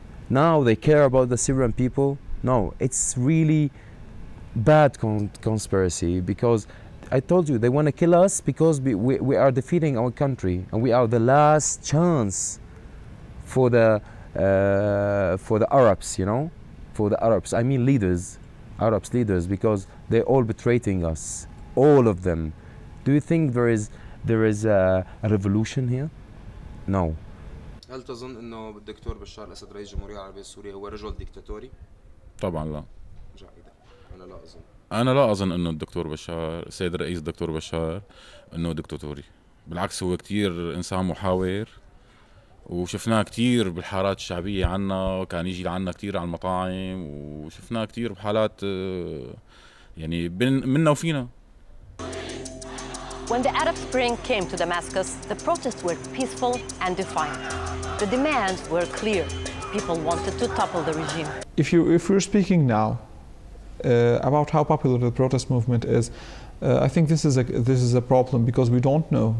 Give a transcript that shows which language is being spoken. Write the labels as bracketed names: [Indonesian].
[English] Now they care about the Syrian people? No, it's really bad conspiracy because I told you, they want to kill us because we are defeating our country and we are the last chance for the Arabs, you know? For the Arabs, I mean leaders, Arabs leaders, because they're all betraying us, all of them. Do you think there is a revolution here? No. [Arabic] هل تظن انه الدكتور بشار الاسد رئيس الجمهوريه العربيه السوريه هو رجل ديكتاتوري؟ طبعا لا. جائدة. انا لا اظن. انا لا اظن انه الدكتور بشار سيد الرئيس الدكتور بشار انه ديكتاتوري. بالعكس هو كثير انسان محاور وشفناه كثير بالحارات الشعبيه عنا وكان يجي لعنا كثير على المطاعم وشفناه كثير بحالات يعني منا وفينا. [English] When the Arab Spring came to Damascus, the protests were peaceful and defiant. The demands were clear. People wanted to topple the regime. If you're speaking now about how popular the protest movement is, I think this is a problem because we don't know.